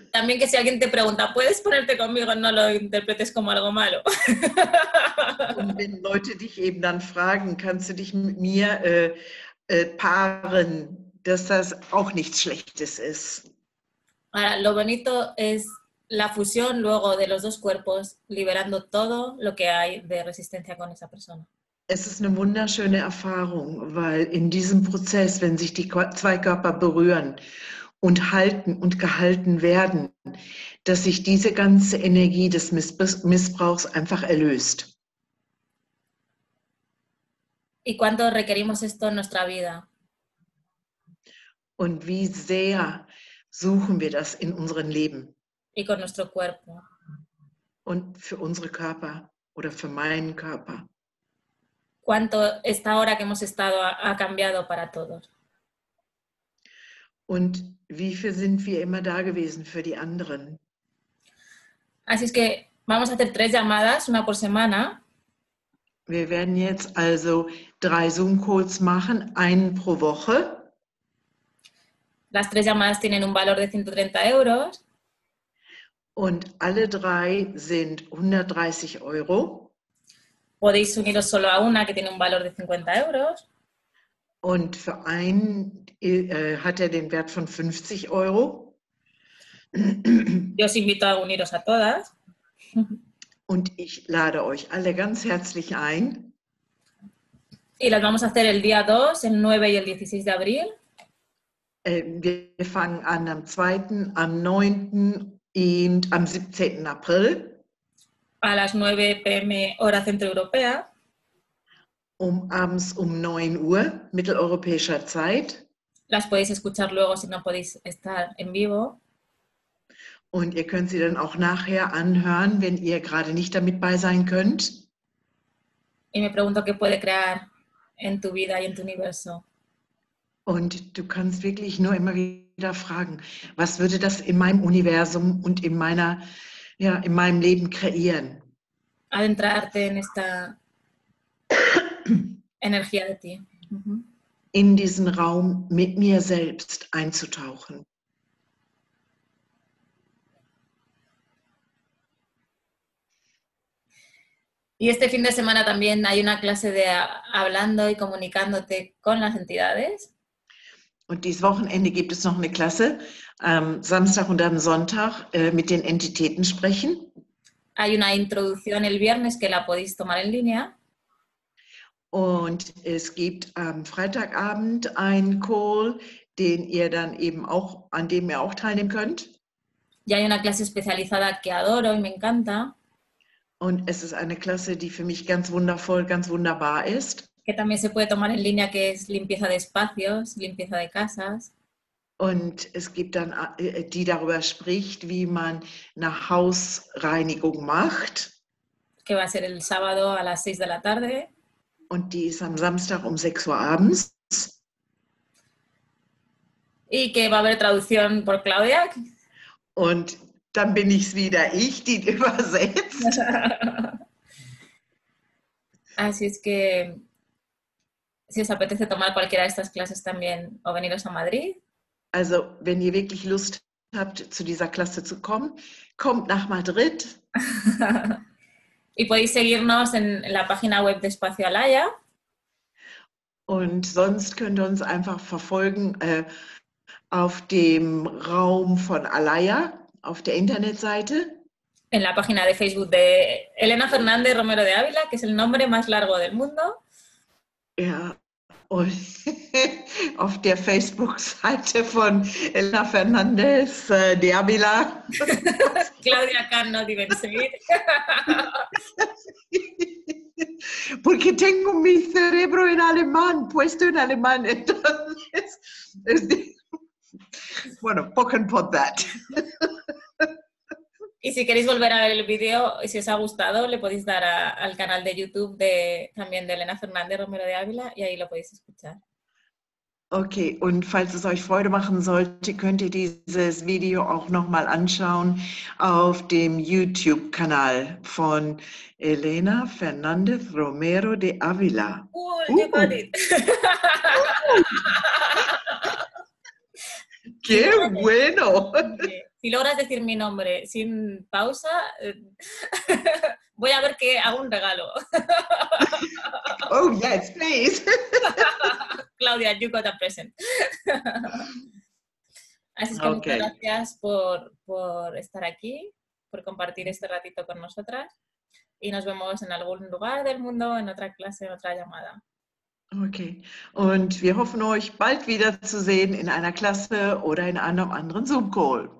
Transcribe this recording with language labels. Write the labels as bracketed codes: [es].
[es] También que si alguien te pregunta, ¿puedes ponerte conmigo? No lo interpretes como algo malo. [de] Und wenn Leute dich eben dann fragen, kannst du dich mit mir paaren, dass das auch nichts Schlechtes ist. [es] Ahora, lo bonito es la fusión luego de los dos cuerpos, liberando todo lo que hay de resistencia con esa persona. [de] Es ist eine wunderschöne Erfahrung, weil in diesem Prozess, wenn sich die zwei Körper berühren und halten und gehalten werden, dass sich diese ganze Energie des Missbrauchs einfach erlöst. [es] ¿Y cuánto requerimos esto en nuestra vida? [de] Und wie sehr suchen wir das in unserem Leben? [es] Y con nuestro cuerpo. [de] Und für unsere Körper oder für meinen Körper. [es] ¿Cuánto esta hora que hemos estado ha cambiado para todos? [de] Und wie viel sind wir immer da gewesen für die anderen? [es] Así es que vamos a hacer tres llamadas, una por semana. [de] Wir werden jetzt also drei Zoom-Calls machen, einen pro Woche. [es] Las tres llamadas tienen un valor de 130 euros. [de] Und alle drei sind 130 Euro. [es] Podéis uniros solo a una que tiene un valor de 50 euros. [de] Und für einen hat er den Wert von 50 Euro. [es] Yo os invito a uniros a todas. [de] Und ich lade euch alle ganz herzlich ein. [es] Y las vamos a hacer el día 2, el 9 y el 16 de abril. [de] Wir fangen an am 2., am 9. und am 17. April. [es] A las 9 p.m. hora centroeuropea. [de] Abends um 9 Uhr, mitteleuropäischer Zeit. [es] Las podéis escuchar luego si no podéis estar en vivo. [de] Und ihr könnt sie dann auch nachher anhören, wenn ihr gerade nicht damit bei sein könnt. [es] Y me pregunto qué puede crear en tu vida y en tu universo. [de] Und du kannst wirklich nur immer wieder fragen, was würde das in meinem Universum und in meiner, ja, in meinem Leben kreieren? [es] Adentrarte en esta energía de ti. [de] In diesen Raum mit mir selbst einzutauchen. [es] Y este fin de semana también hay una clase de hablando y comunicándote con las entidades. [de] Und dieses Wochenende gibt es noch eine Klasse, Samstag und dann Sonntag, mit den Entitäten sprechen. [es] Hay una introducción el viernes que la podéis tomar en línea. [de] Und es gibt am Freitagabend einen Call, den ihr dann eben auch, an dem ihr auch teilnehmen könnt. [es] Y hay una clase especializada que adoro y me encanta. [de] Und es ist eine Klasse, die für mich ganz wundervoll, ganz wunderbar ist. [es] Que también se puede tomar en línea, que es limpieza de espacios, limpieza de casas. [de] Und es gibt dann, die darüber spricht, wie man eine Hausreinigung macht. [es] Que va a ser el sábado a las 6 de la tarde. [de] Und die ist am Samstag um 6 Uhr abends. [es] Y que va a haber traducción por Claudia. [de] Und dann bin ich's wieder, ich, die übersetzt. [es] Así es que... Si os apetece tomar cualquiera de estas clases también o veniros a Madrid. [de] Also, wenn ihr wirklich Lust habt, zu dieser Klasse zu kommen, kommt nach Madrid. [es] Y podéis seguirnos en la página web de Espacio Alaya. [de] Und sonst könnt ihr uns einfach verfolgen auf dem Raum von Alaya, auf der Internetseite. [es] En la página de Facebook de Elena Fernández Romero de Ávila, que es el nombre más largo del mundo. [de] Ja, und auf der Facebook-Seite von Elena Fernández de Ávila. Claudia Cano, die wir sehen. [es] Porque tengo mi cerebro en alemán, puesto en alemán. Entonces, es de... bueno, pocken pot that. Y si queréis volver a ver el video, y si os ha gustado, le podéis dar al canal de YouTube también de Elena Fernández Romero de Ávila y ahí lo podéis escuchar. [de] Ok, und falls es euch Freude machen sollte, könnt ihr dieses Video auch nochmal anschauen auf dem YouTube-Kanal von Elena Fernández Romero de Ávila. [en] Cool, [es] ¡Qué bueno! Si logras decir mi nombre sin pausa, voy a ver que hago un regalo. [en] Oh, yes, please. Claudia, you got a present. [es] Así que okay. Muchas gracias por estar aquí, por compartir este ratito con nosotras. Y nos vemos en algún lugar del mundo, en otra clase, en otra llamada. [de] Okay, und wir hoffen, euch bald wiederzusehen in einer Klasse oder in einem anderen Zoom-Call.